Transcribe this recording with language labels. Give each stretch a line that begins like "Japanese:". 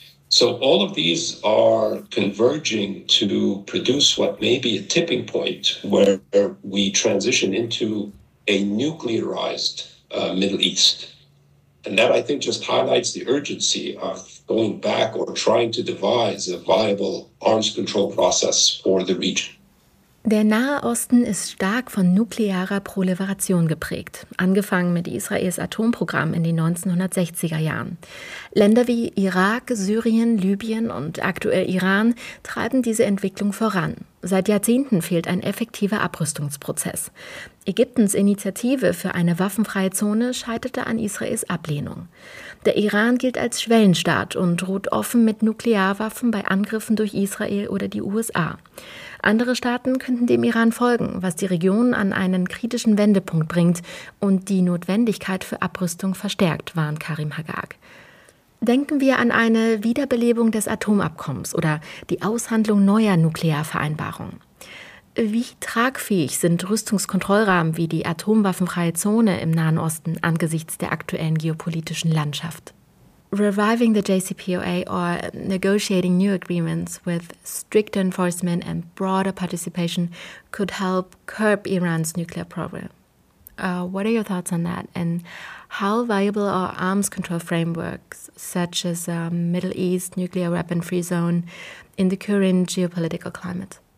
English: So all of these are converging to produce what may be a tipping point where we transition into a nuclearized Middle East. And that, I think, just highlights the urgency of going back or trying to devise a viable arms control process for the region.
German: Der Nahe Osten ist stark von nuklearer Proliferation geprägt, angefangen mit Israels Atomprogramm in den 1960er Jahren. Länder wie Irak, Syrien, Libyen und aktuell Iran treiben diese Entwicklung voran. Seit Jahrzehnten fehlt ein effektiver Abrüstungsprozess. Ägyptens Initiative für eine waffenfreie Zone scheiterte an Israels Ablehnung. Der Iran gilt als Schwellenstaat und droht offen mit Nuklearwaffen bei Angriffen durch Israel oder die USA. Andere Staaten könnten dem Iran folgen, was die Region an einen kritischen Wendepunkt bringt und die Notwendigkeit für Abrüstung verstärkt, warnt Karim Haggag. Denken wir an eine Wiederbelebung des Atomabkommens oder die Aushandlung neuer Nuklearvereinbarungen. Wie tragfähig sind Rüstungskontrollrahmen wie die atomwaffenfreie Zone im Nahen Osten angesichts der aktuellen geopolitischen Landschaft?
English: Reviving the JCPOA or negotiating new agreements with stricter enforcement and broader participation could help curb Iran's nuclear program. What are your thoughts on that? And how viable are arms control frameworks such as a Middle East nuclear weapon-free zone in the current geopolitical climate?